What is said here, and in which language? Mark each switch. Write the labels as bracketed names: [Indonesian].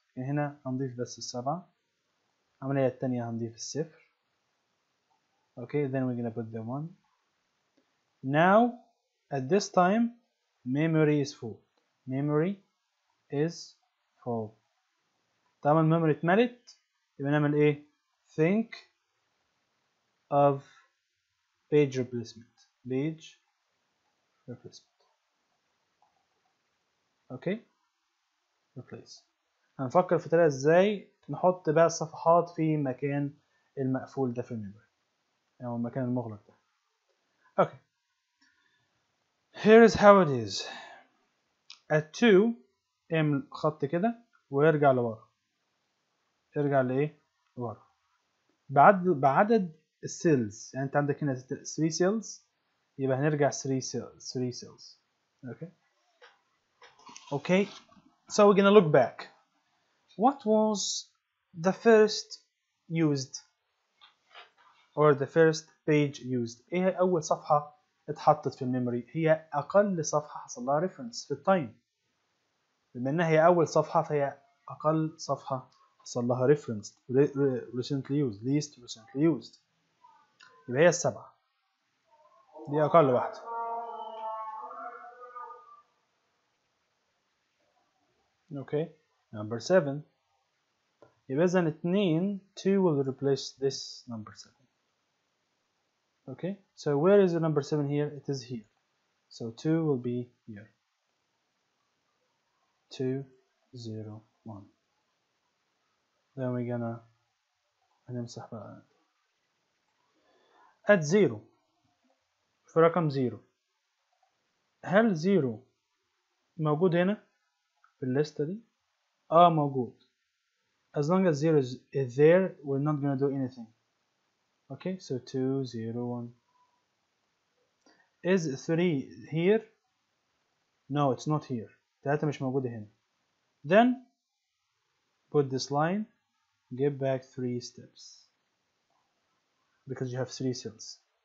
[Arabic] يعني هنا هنضيف بس السبعة, العملية التانية هنضيف الصفر. [English] Okay, then we're gonna put the one. Now at this time memory is full. [Arabic] Memory is طبعا الميموري اتملت, يبقى نعمل ايه, [English] think of page replacement. Page replacement. Okay, replace. [Arabic] هنفكر في طريقة ازاي نحط بقى الصفحات في مكان المقفول ده في الميموري, او المكان المغلق ده. [English] Okay, here is how it is. [Arabic] At 2 اعمل خط كده ويرجع لورا, يرجع لايه, لورا بعدد السيلز. يعني انت عندك هنا 3 سيلز, يبقى هنرجع 3 سيلز. [English] Okay so we're gonna look back. What was the first used or the first page used? [Arabic] ايه اول صفحه اتحطت في الميموري؟ هي اقل صفحه حصل لها ريفرنس في التايم. بما انها هي اول صفحه فهي أقل صفحة حصل لها referenced, [English] recently used, least recently used. [Arabic] يبقى هي السبعة دي أقل واحدة. [English] Okay, number 7. [Arabic] يبقى إذا [English] 2 will replace this number 7. Okay, so where is the number 7 here? It is here. So 2 will be here. 2, 0. One. Then we're gonna [Arabic] هنمسح بقى. [English] At zero, [Arabic] في رقم zero, هل zero موجود هنا في الليستة دي؟ آه موجود. [English] As long as zero is there, we're not gonna do anything. Okay, so 2, 0, 1. Is 3 here? No, it's not here. [Arabic] تلاتة مش موجودة هنا. [English] Then put this line, give back 3 steps because you have 3 cells.